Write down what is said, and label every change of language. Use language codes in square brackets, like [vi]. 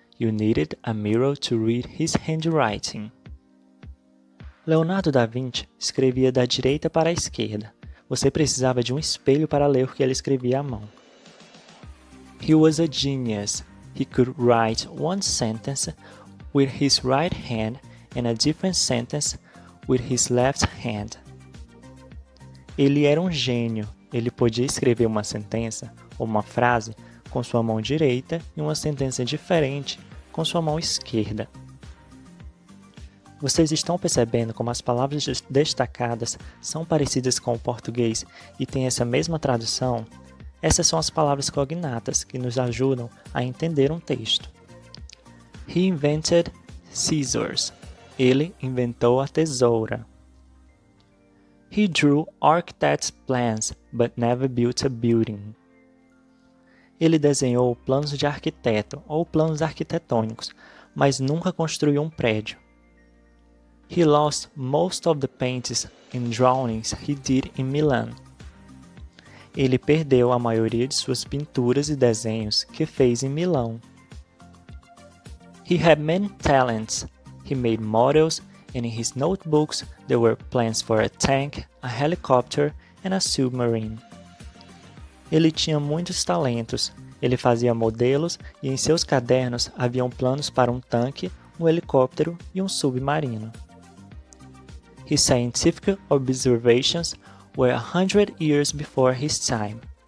[en] You needed a mirror to read his handwriting. [pt] Leonardo da Vinci escrevia da direita para a esquerda. Você precisava de um espelho para ler o que ele escrevia à mão. [en] He was a genius. He could write one sentence with his right hand and a different sentence with his left hand. [pt] Ele era um gênio. Ele podia escrever uma sentença ou uma frase com sua mão direita e uma sentença diferente com sua mão esquerda. Vocês estão percebendo como as palavras destacadas são parecidas com o português e têm essa mesma tradução? Essas são as palavras cognatas que nos ajudam a entender um texto. [en] He invented scissors. [pt] Ele inventou a tesoura. [en] He drew architect's plans, but never built a building. [pt] Ele desenhou planos de arquiteto ou planos arquitetônicos, mas nunca construiu um prédio. [en] He lost most of the paintings and drawings he did in Milan. [pt] Ele perdeu a maioria de suas pinturas e desenhos que fez em Milão. [en] He had many talents. He made models. And in his notebooks, there were plans for a tank, a helicopter, and a submarine. [pt] Ele tinha muitos talentos. Ele fazia modelos e em seus cadernos haviam planos para um tanque, um helicóptero e um submarino. [en] His scientific observations were 100 years before his time.